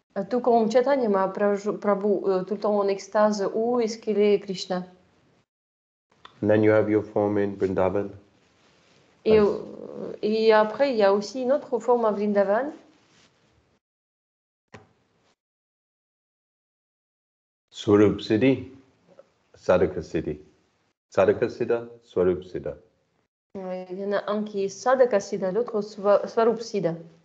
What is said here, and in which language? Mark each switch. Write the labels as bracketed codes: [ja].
[fr] Tout comme Chaitanya Mahaprabhu, tout le temps en extase, où est-ce qu'il est Krishna? [en] And then you have your form in Vrindavan. [fr] Et après, il y a aussi une autre forme à Vrindavan. [sa] Swarup Siddhi, Sadhaka Siddhi. Sadhaka Siddha, Swarup Siddha. [fr] Il y en a un qui est Sadhaka Siddha, l'autre Swarup Siddha.